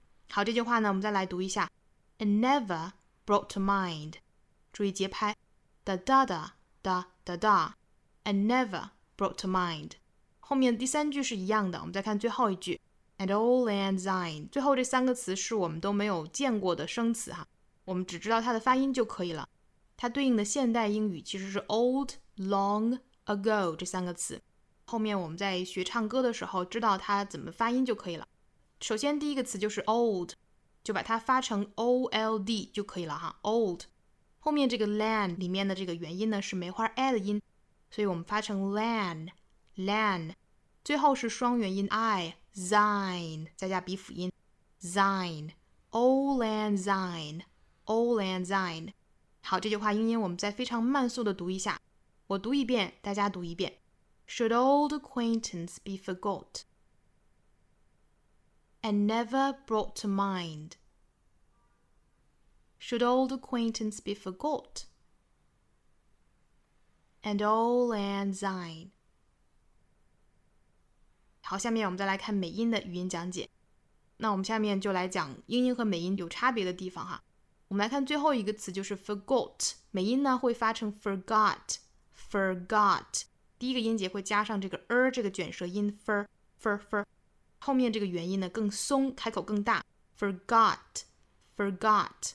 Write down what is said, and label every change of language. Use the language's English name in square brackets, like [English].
[Chinese] 好，这句话呢我们再来读一下 [English] and never brought to mind, [Chinese] 注意节拍da da da da da da, and never brought to mind. 后面第三句是一样的，我们再看最后一句 [English] and auld lang syne. [Chinese] 最后这三个词是我们都没有见过的生词哈，我们只知道它的发音就可以了。它对应的现代英语其实是 old, long, ago 这三个词。后面我们在学唱歌的时候知道它怎么发音就可以了。首先第一个词就是 old, 就把它发成 old 就可以了哈 old. 后面这个 lan 里面的这个元音呢是梅花 a 的音，所以我们发成 lan 最后是双元音 i zine 再加鼻辅音 zine auld lang syne auld lang syne。好，这句话英音我们再非常慢速的读一下，我读一遍大家读一遍。 [English] Should old acquaintance be forgot and never brought to mindShould old acquaintance be forgot and auld lang syne? [Chinese] 好，下面我们再来看美音的语音讲解。那我们下面就来讲英音和美音有差别的地方哈。我们来看最后一个词就是 forgot, 美音呢会发成 forgot, 第一个音节会加上这个 这个卷舌音 fur, 后面这个元音呢更松，开口更大 forgot.